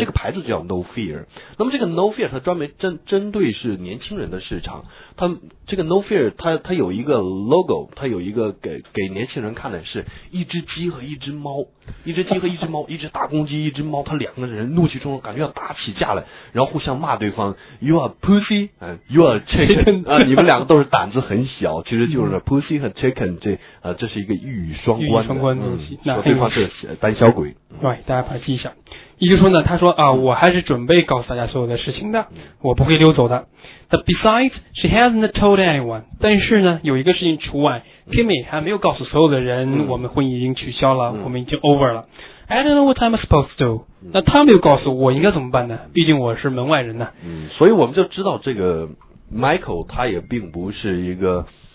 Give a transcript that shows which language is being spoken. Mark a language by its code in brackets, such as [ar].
[zh] 这个牌子叫 no fear。那么这个 no fear 它专门针对是年轻人的市场，它这个 no fear 它有一个 logo， 它有一个给年轻人看的是一只鸡和一只猫，一只鸡和一只猫，一只大公鸡一只猫，它两个人怒气冲冲感觉要打起架来，然后互相骂对方 [en] You are pussy and you are chicken， [zh] 、你们两个都是胆子很小，其实就是 pussy 和 chicken， 这是一个一语双关的，说对方是胆小鬼。 [en] Right， [zh] 大家把它记一下。也就是说呢，他说啊，我还是准备告诉大家所有的事情的，我不会溜走的。 [en] But besides, she hasn't told anyone。 [zh] 但是呢，有一个事情除外 ，Kimmy 还没有告诉所有的人，我们婚姻已经取消了，我们已经 over 了。 [en] I don't know what I'm supposed to do。 [zh] 那他没有告诉我应该怎么办呢？毕竟我是门外人呢。嗯，所以我们就知道这个 Michael 他也并不是一个